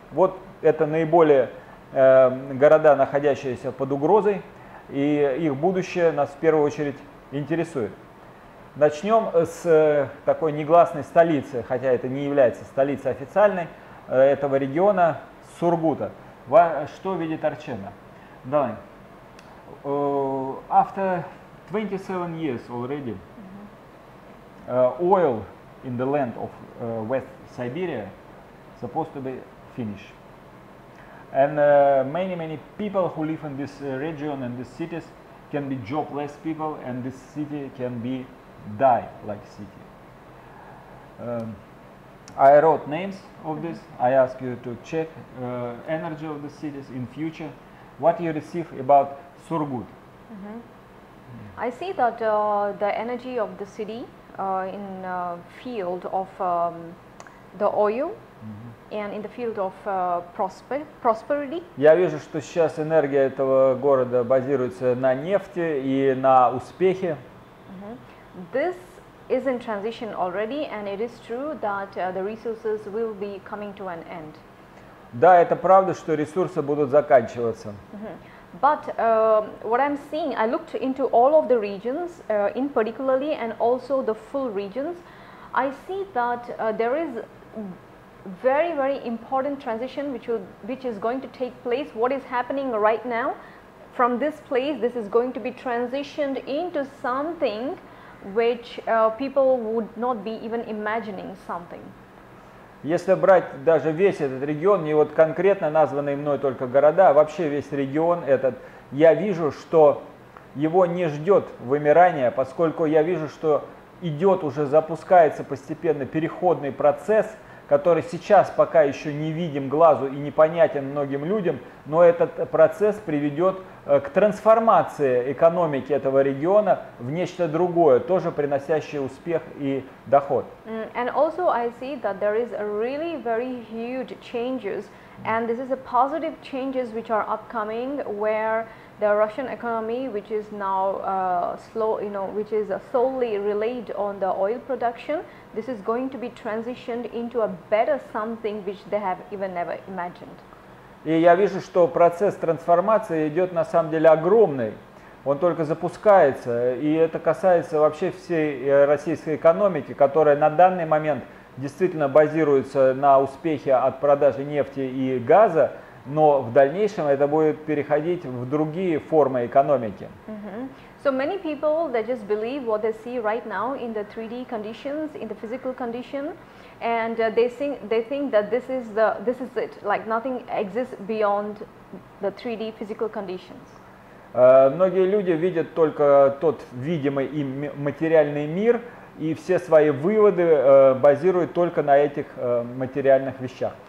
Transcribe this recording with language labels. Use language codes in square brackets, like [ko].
[ru] Вот это наиболее города, находящиеся под угрозой, и их будущее нас в первую очередь интересует. Начнем с такой негласной столицы, хотя это не является столицей официальной этого региона, Сургута. Что видит Арчена? Да. [en] After 27 years already, oil in the land of West Siberia supposed to be finished. And many people who live in this region and these cities can be jobless people, and this city can be die like city. I wrote names of this. I ask you to check energy of the cities in future. What you receive about Surgut? I see that the energy of the city in field of the oil. And in the field of prosperity. [ru] Я вижу, что сейчас энергия этого города базируется на нефти и на успехе. [en] This is in transition already, and it is true that the resources will be coming to an end. [ru] Да, это правда, что ресурсы будут заканчиваться. [en] But what I'm seeing, I looked into all of the regions, in particularly, and also the full regions. I see that there is very, very important transition which is going to take place. What is happening right now from this place, this is going to be transitioned into something which people would not be even imagining something. [ru] Если брать даже весь этот регион, не вот конкретно названные мной только города, а вообще весь регион этот, я вижу, что его не ждет вымирание, поскольку я вижу, что идет уже, запускается постепенно переходный процесс, который сейчас пока еще не видим глазу и непонятен многим людям, но этот процесс приведет к трансформации экономики этого региона в нечто другое, тоже приносящее успех и доход. [en] And also I see that there is a really very huge changes, and this is a positive changes which are upcoming, where the Russian economy, which is now slow, you know, which is solely relied on the oil production, this is going to be transitioned into a better something, which they have even never imagined. [ru] И я вижу, что процесс трансформации идет на самом деле огромный. Он только запускается, и это касается вообще всей российской экономики, которая на данный момент действительно базируется на успехе от продажи нефти и газа, но в дальнейшем это будет переходить в другие формы экономики. [en] So many people, they just believe what they see right now in the 3D conditions, in the physical condition, and they think that this is it, like nothing exists beyond the 3D physical conditions. [ru] Многие люди видят только тот видимый им материальный мир, и все свои выводы базируют только на этих материальных вещах.